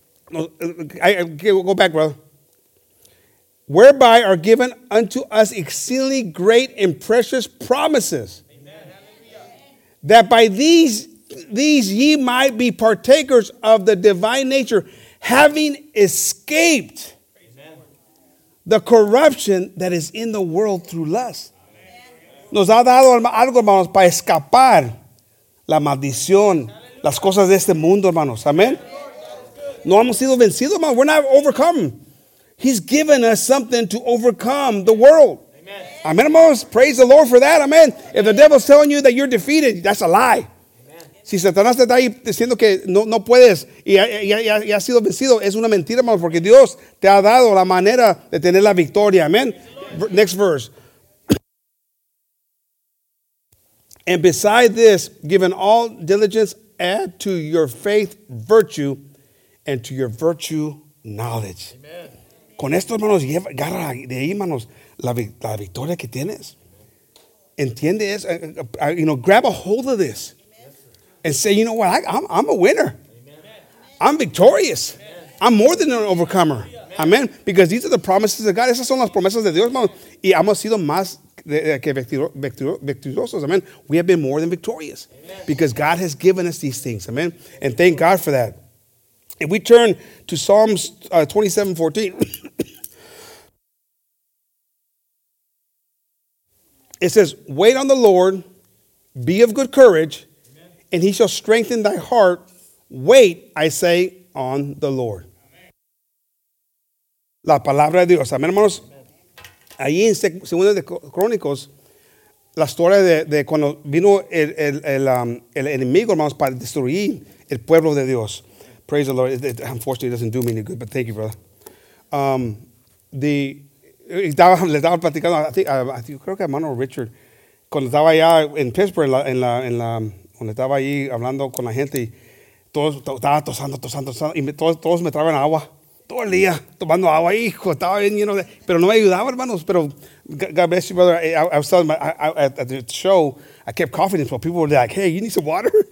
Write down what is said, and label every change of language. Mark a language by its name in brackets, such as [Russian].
[English] Whereby are given unto us exceedingly great and precious promises. Amen. That by these ye might be partakers of the divine nature, having escaped the corruption that is in the world through lust. [Spanish] Nos ha dado algo, hermanos, para escapar la maldición, las cosas de este mundo, hermanos. Amen. No hemos sido vencidos, hermanos. [English] We're not overcome. He's given us something to overcome the world. Amen, hermanos. Praise the Lord for that. Amen. If the devil's telling you that you're defeated, that's a lie. [Spanish] Si Satanás te está ahí diciendo que no puedes y has sido vencido, es una mentira, hermano, porque Dios te ha dado la manera de tener la victoria. [English] Amen. Next verse. And beside this, given all diligence, add to your faith virtue, and to your virtue knowledge. Amen. [Spanish] Con esto, hermanos, lleva, agarra de ahí, hermanos, la victoria que tienes. Entiende eso. [English] You know, grab a hold of this. And say, you know what, I'm a winner. Amen. I'm victorious. Amen. I'm more than an overcomer. Amen. Amen. Because these are the promises of God. [Spanish] Esas son las promesas de Dios, hermanos. Y hemos sido más que victoriosos. Amen. [English] We have been more than victorious. Amen. Because God has given us these things. Amen. And thank God for that. If we turn to Psalms 27:14, it says, wait on the Lord, be of good courage, and he shall strengthen thy heart. Wait, I say, on the Lord. Amen. [Spanish] La palabra de Dios. [English] Amén, hermanos. [Spanish] Ahí en Segunda de Crónicos, la historia de cuando vino el enemigo, hermanos, para destruir el pueblo de Dios. [English] Praise the Lord. It unfortunately doesn't do me any good, but thank you, brother. [Spanish] Le estaba platicando, creo que hermano Richard, cuando estaba allá en Pittsburgh, en la cuando estaba ahí hablando con la gente, y todos estaba tosando, y todos me traban agua, todo el día, tomando agua, hijo, estaba bien lleno de, pero no me ayudaba, hermanos, pero, [English] God bless you, brother, I was telling at the show, I kept coughing, so people were like, hey, you need some water?